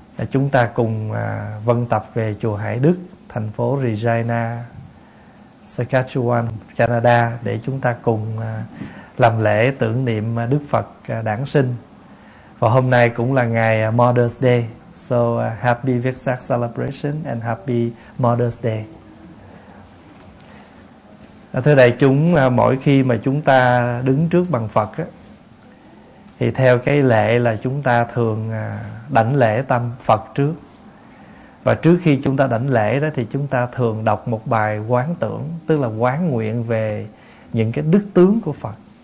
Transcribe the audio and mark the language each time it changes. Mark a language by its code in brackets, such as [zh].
[vi] Chúng ta cùng vân tập về chùa Hải Đức, thành phố Regina, Saskatchewan, Canada để chúng ta cùng làm lễ tưởng niệm Đức Phật đản sinh. Và hôm nay cũng là ngày Mother's Day. [en] So happy Vesak celebration and happy Mother's Day. [vi] Thưa đại chúng, mỗi khi mà chúng ta đứng trước bàn Phật á, thì theo cái lệ là chúng ta thường đảnh lễ tam Phật trước. Và trước khi chúng ta đảnh lễ đó thì chúng ta thường đọc một bài quán tưởng, tức là quán nguyện về những cái đức tướng của Phật.